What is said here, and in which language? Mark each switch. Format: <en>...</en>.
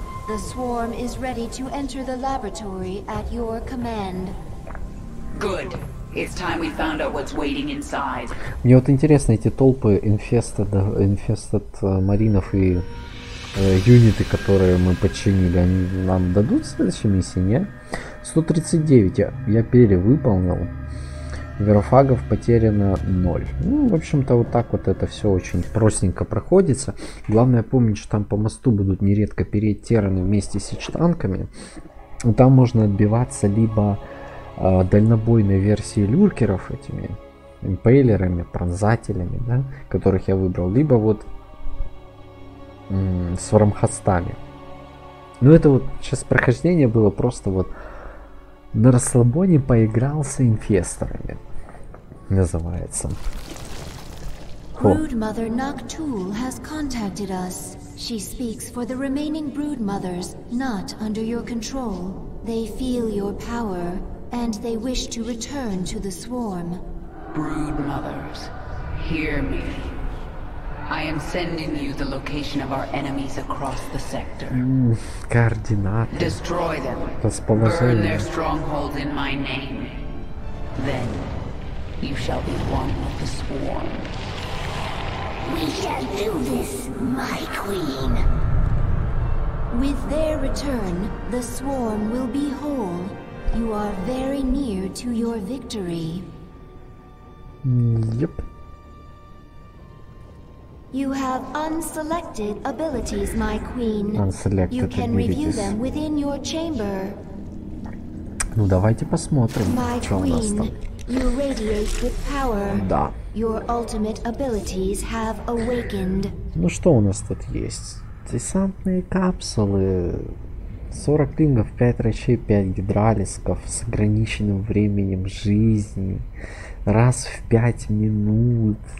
<en>The swarm is ready to enter the laboratory at your command. Good. It's time we found out what's waiting inside.</en> <ru>Мне вот интересно, эти толпы инфестед маринов и юниты, которые мы подчинили, они нам дадут в следующей миссии, не? 139. Я перевыполнил. Верофагов потеряно 0. Ну, в общем-то, вот так вот это все очень простенько проходится. Главное помнить, что там по мосту будут нередко переть терраны вместе с ичтанками. Там можно отбиваться либо дальнобойной версией люркеров, этими импейлерами, пронзателями, да, которых я выбрал, либо вот с вармхостами. Ну, это вот сейчас прохождение было просто вот на расслабоне поигрался инфесторами. Называется.</ru> <en>Brood Mother Noctul has contacted us. She speaks for the remaining brood mothers not under your control. They feel your power and they wish to return to the swarm. Brood mothers, hear me. I am sending you the location of our enemies across the sector.</en> <ru>Координаты.</ru> <en>Destroy them.</en> <ru>Расположение.</ru> <en>Burn their stronghold in my name. Then you shall be one of the swarm. We shall do this, my queen. With their return, the swarm will be whole. You are very near to your victory. Yep. You have unselected abilities, my queen. Unselected. You can review them within your chamber.</en> <ru>Ну давайте посмотрим,</ru> <en>my</en> <ru>что</ru> <en>queen,</en> <ru>у нас там.</ru> <en>You radiate with power.</en> <ru>Да.</ru> <en>Your ultimate abilities have awakened.</en> <ru>Ну что у нас тут есть? Десантные капсулы. 40 лингов, 5 рачей, 5 гидралисков с ограниченным временем жизни. Раз в 5 минут.</ru>